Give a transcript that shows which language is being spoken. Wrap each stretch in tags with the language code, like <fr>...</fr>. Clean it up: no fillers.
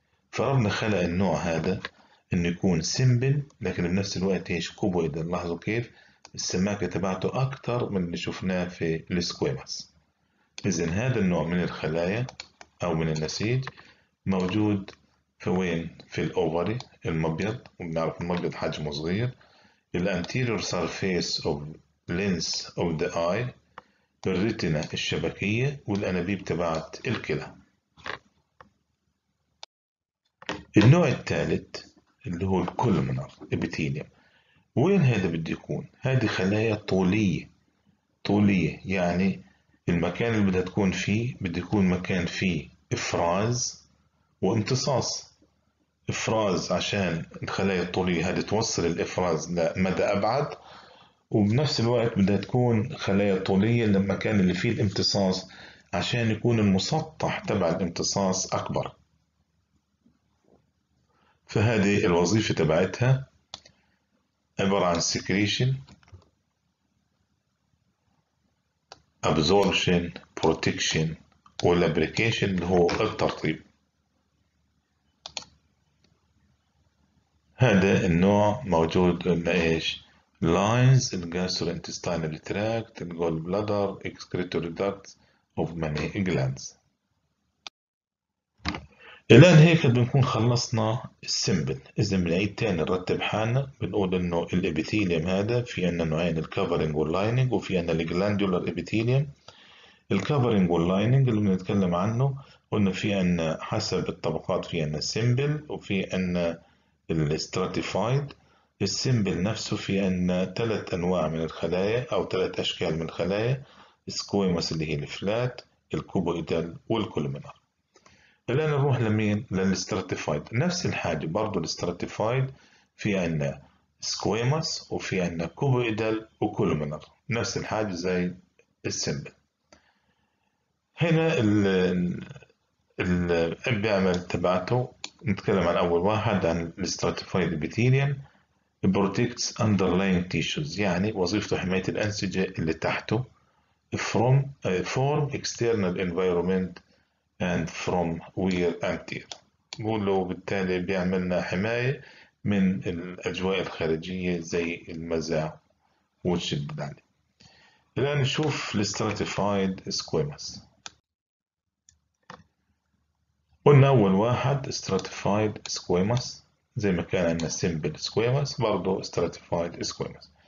<ar>فربنا خلق النوع هذا إنه يكون سيمبل، لكن بنفس الوقت إيش؟ كوبويد. لاحظوا كيف السماكة تبعته أكتر من اللي شفناه في السكويمس. إذن هذا النوع من الخلايا أو من النسيج موجود في وين؟ في الأوفري المبيض، وبنعرف المبيض حجمه صغير. الـ anterior surface of lens of the eye، الريتنا الشبكية، والأنابيب تبعت الكلى. النوع الثالث اللي هو الكولمنر إبيثيليوم، وين هذا بده يكون؟ هذه خلايا طولية، طولية يعني المكان اللي بدها تكون فيه بده يكون مكان فيه إفراز وامتصاص. إفراز عشان الخلايا الطولية هذه توصل الإفراز لمدى أبعد، وبنفس الوقت بدها تكون خلايا طولية للمكان اللي فيه الامتصاص عشان يكون المسطح تبع الامتصاص أكبر. فهذه الوظيفة تبعتها عبارة عن secretion, absorption, protection والابريكيشن اللي هو الترطيب.</ar> <en>هذا النوع موجود انه ايش lines in gastrointestinal tract in gallbladder excretory duct of many glands.</en> <ar>الان هيك بنكون خلصنا السمبل. اذا بنعيد تاني نرتب حالنا، بنقول انه الابيثيليوم هذا في عنا نوعين، الكفرنج واللايننج، وفي عنا الجلاندولار ابيثيليوم. الكفرنج واللايننج اللي بنتكلم عنه قلنا في عنا حسب الطبقات في عنا سمبل وفي عنا الستراتيفايد. السمبل نفسه في عنا ثلاث انواع من الخلايا او ثلاث اشكال من الخلايا، السكويموس اللي هي الفلات، الكوبويدال والكولومنار. الآن نروح لمين؟ للاستراتيفايد. نفس الحاجة برضو الاستراتيفايد في عنا سكويمس وفي عنا كوبويدال وكولومنر، نفس الحاجة زي السمبل. هنا ال بيعمل تبعته، نتكلم عن أول واحد عن الاستراتيفايد ابيثيليوم.</ar> <en>Protects underlying tissues، يعني وظيفته حماية الأنسجة اللي تحته from external environment and from wear and tear.</en> <ar>بقوله بالتالي بيعملنا حماية من الأجواء الخارجية زي المزع والشد العلوي. الآن نشوف الـ stratified squamous. قلنا أول واحد stratified squamous زي ما كان عندنا simple squamous برضه stratified squamous.</ar>